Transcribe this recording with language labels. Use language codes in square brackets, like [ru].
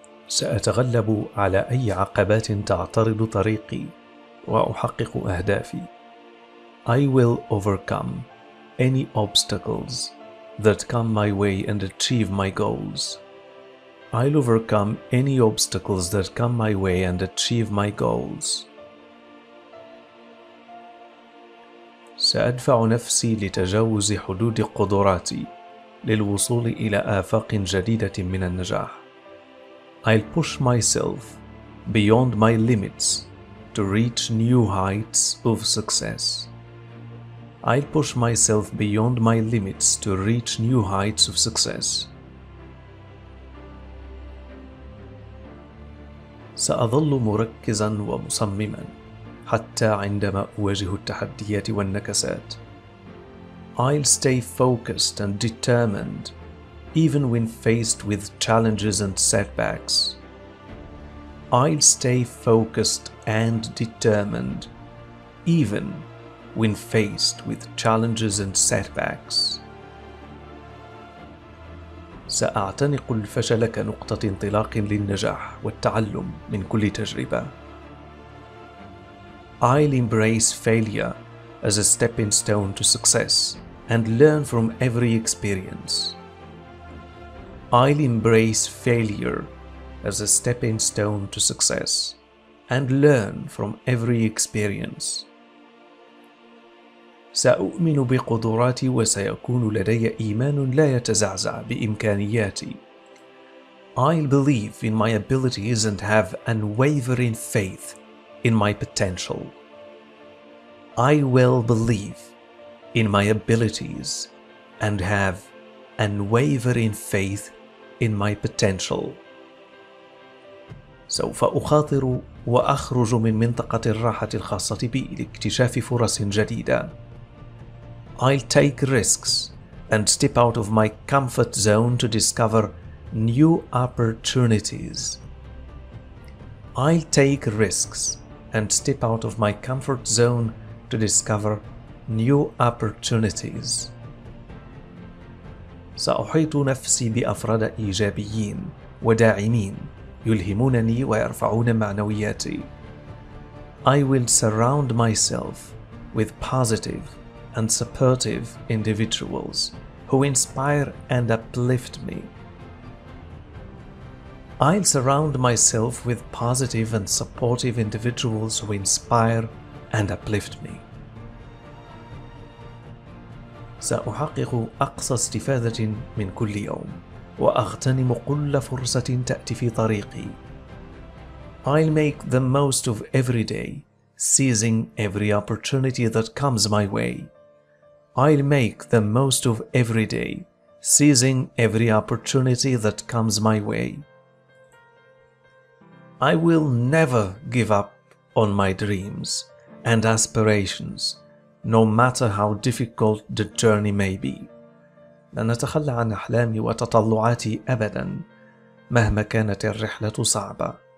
[ar] سأتغلب على أي عقبات تعترض طريقي وأحقق أهدافي. [en] I will overcome any obstacles that come my way and achieve my goals. I'll overcome any obstacles that come my way and achieve my goals. [ar] سأدفع نفسي لتجاوز حدود قدراتي للوصول إلى آفاق جديدة من النجاح. [en] I'll push myself beyond my limits to reach new heights of success. I'll push myself beyond my limits to reach new heights of success. [ar] سأظل مركزا ومصمما حتى عندما أواجه التحديات والنكسات. [en] I'll stay focused and determined even when faced with challenges and setbacks. I'll stay focused and determined even when faced with challenges and setbacks. [ar] سأعتنق الفشل كنقطة انطلاق للنجاح والتعلم من كل تجربة. [en] I'll embrace failure as a stepping stone to success and learn from every experience. I'll embrace failure as a stepping stone to success and learn from every experience. [ar] سأؤمن بقدراتي وسيكون لدي إيمان لا يتزعزع بإمكانياتي. [en] I'll believe in my abilities and have unwavering faith in my potential. I will believe in my abilities and have unwavering faith in my potential. [ar] سوف أخاطر وأخرج من منطقة الراحة الخاصة بي لاكتشاف فرص جديدة. [en] I'll take risks and step out of my comfort zone to discover new opportunities. I'll take risks and step out of my comfort zone to discover new opportunities. [ar] سأحيط نفسي بأفراد إيجابيين وداعمين يلهمونني ويرفعون معنوياتي. [en] I will surround myself with positive and supportive individuals who inspire and uplift me. I'll surround myself with positive and supportive individuals who inspire and uplift me. [ar] سأحقق أقصى استفادة من كل يوم وأغتنم كل فرصة تأتي في طريقي. [en] I'll make the most of every day, seizing every opportunity that comes my way. I'll make the most of every day, seizing every opportunity that comes my way. I will never give up on my dreams and aspirations, no matter how difficult the journey may be. [ar] لن أتخلى عن أحلامي وتطلعاتي أبدا مهما كانت الرحلة صعبة.